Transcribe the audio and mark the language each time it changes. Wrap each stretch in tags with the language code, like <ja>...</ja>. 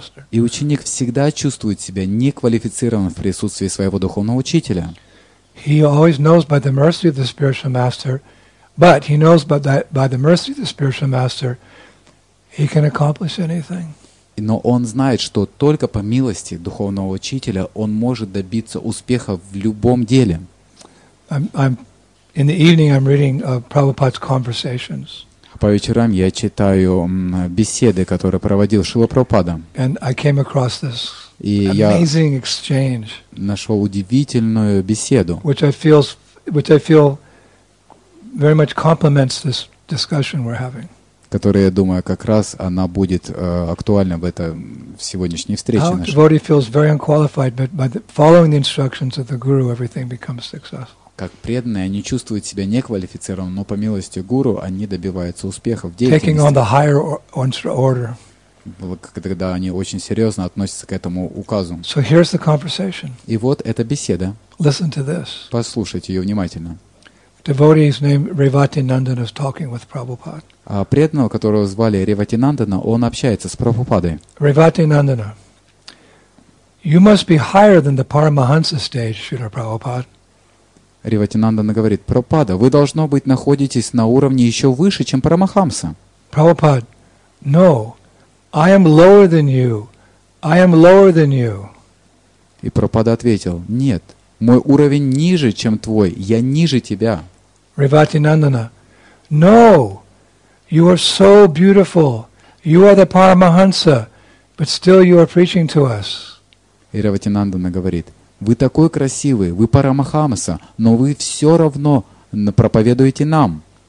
<ru>И ученик всегда чувствует себя неквалифицированным в присутствии своего духовного учителя.</ru> <en>He always knows by the mercy of the spiritual master, but he knows by the mercy of the spiritual master, he can accomplish anything.</en> <ru>Но он знает, что только по милости духовного учителя он может добиться успеха в любом деле. По вечерам я читаю беседы, которые проводил Шрила Прабхупада. И я нашел удивительную беседу, которая, я думаю, как раз она будет актуальна в этой в сегодняшней встрече.</ru> <en>How devotee feels very unqualified, but by following the instructions of the guru, everything becomes successful.</en> <ru>Как преданные, они чувствуют себя неквалифицированным, но по милости гуру они добиваются успеха в деятельности.</ru> <en>Taking on the higher order.</en> <ru>Когда они очень серьезно относятся к этому указу.</ru> <en>So here's the conversation.</en> <ru>И вот эта беседа.</ru> <en>Listen to this.</en> <ru>Послушайте ее внимательно.</ru> <en>Devotee's name Revati Nandan is talking with Prabhupada.</en> <ru>А преданного, которого звали Ревати Нандана, он общается с Прабхупадой.</ru> <en>Ревати Нандана, you must be higher than the Paramahansa stage, Śrīla Prabhupāda.</en> <ru>Риватинандана говорит, Прабхупада, вы должно быть находитесь на уровне еще выше, чем Парамахамса.</ru> <en>Prabhupada, no, I am lower than you. I am lower than you.</en> <ru>И Прабхупада ответил, нет, мой уровень ниже, чем твой, я ниже тебя.</ru> <en>Риватинандана, no, you are so beautiful. You are the Paramahansa, but still you are preaching to us.</en> <ru>И Риватинандана говорит, вы такой красивый, вы Парамахамса, но вы все равно проповедуете нам.</ru>